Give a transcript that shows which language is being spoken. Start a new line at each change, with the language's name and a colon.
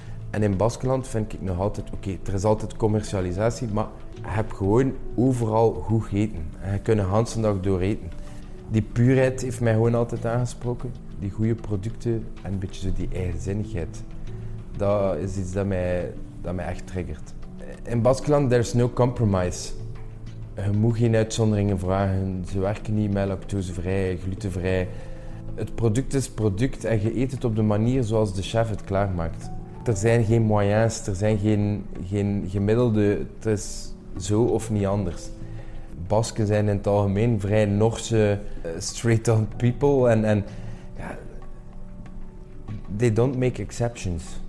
Dutch: En in Baskeland vind ik nog altijd, oké, er is altijd commercialisatie, maar je hebt gewoon overal goed eten. En je kunt de hele dag door eten. Die puurheid heeft mij gewoon altijd aangesproken. Die goede producten en een beetje zo die eigenzinnigheid. Dat is iets dat mij echt triggert.
English: In Baskeland, there's no compromise.
Dutch: Je moet geen uitzonderingen vragen. Ze werken niet met lactosevrij, glutenvrij. Het product is product en je eet het op de manier zoals de chef het klaarmaakt. Er zijn geen moyens, er zijn geen gemiddelde. Het is zo of niet anders. Basken zijn in het algemeen vrij Norse,
English: straight-on people.
Dutch: En ja,
English: they don't make exceptions.